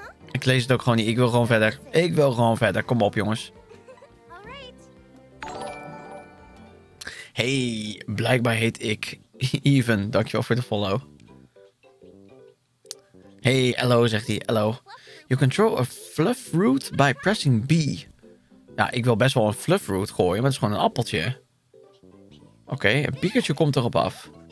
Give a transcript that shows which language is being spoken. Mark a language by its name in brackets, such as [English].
[Dutch] Ik lees het ook gewoon niet. Ik wil gewoon verder. Ik wil gewoon verder. Kom op, jongens. Hey, blijkbaar heet ik Even. Dankjewel voor de follow. Hey, hello, zegt hij. Hello. [English] You control a fluff root by pressing B. [Dutch] Ja, ik wil best wel een fluff root gooien, maar het is gewoon een appeltje. Oké, een piekertje komt erop af.